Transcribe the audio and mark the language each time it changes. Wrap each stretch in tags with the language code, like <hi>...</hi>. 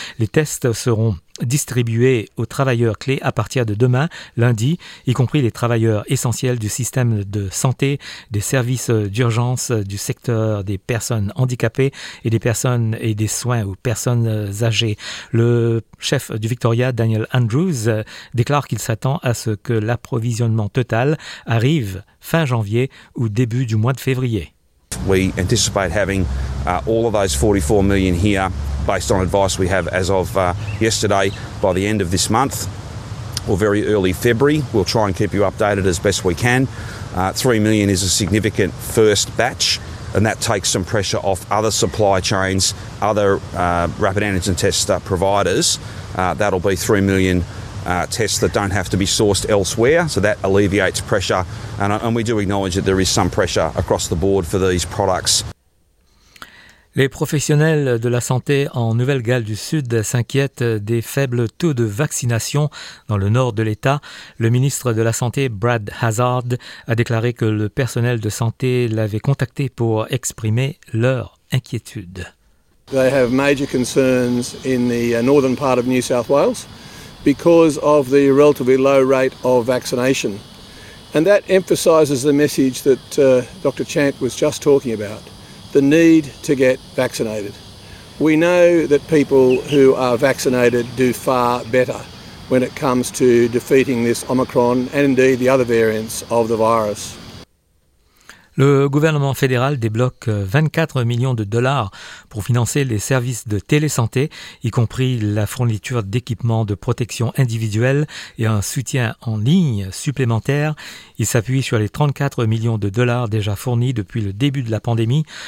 <fr>Les tests seront distribués aux travailleurs clés à partir de demain, lundi, y compris les travailleurs essentiels du système de santé, des services d'urgence, du secteur des personnes handicapées et des personnes et des soins aux personnes âgées. Le chef du Victoria, Daniel Andrews, déclare qu'il s'attend à ce que l'approvisionnement total arrive fin janvier ou début du mois de février.</fr> <en>We anticipate having all of those 44 million here based on advice we have as of yesterday by the end of this month or very early February. We'll try and keep you updated as best we can. 3 million is a significant first batch and that takes some pressure off other supply chains, other rapid antigen test providers. That'll be 3 million tests that don't have to be sourced elsewhere, so that alleviates pressure. And we do acknowledge that there is some pressure across the board for these products.</en> <fr>Les professionnels de la santé en Nouvelle-Galles du Sud s'inquiètent des faibles taux de vaccination dans le nord de l'État. Le ministre de la Santé, Brad Hazard, a déclaré que le personnel de santé l'avait contacté pour exprimer leur inquiétude.</fr> <en>They have major concerns in the northern part of New South Wales because of the relatively low rate of vaccination. And that emphasizes the message that Dr. Chant was just talking about. The need to get vaccinated. We know that people who are vaccinated do far better when it comes to defeating this Omicron and indeed the other variants of the virus.</en> <fr>Le gouvernement fédéral débloque 24 millions de dollars pour financer les services de télésanté, y compris la fourniture d'équipements de protection individuelle et un soutien en ligne supplémentaire. Il s'appuie sur les 34 millions de dollars déjà fournis depuis le début de la pandémie.</fr>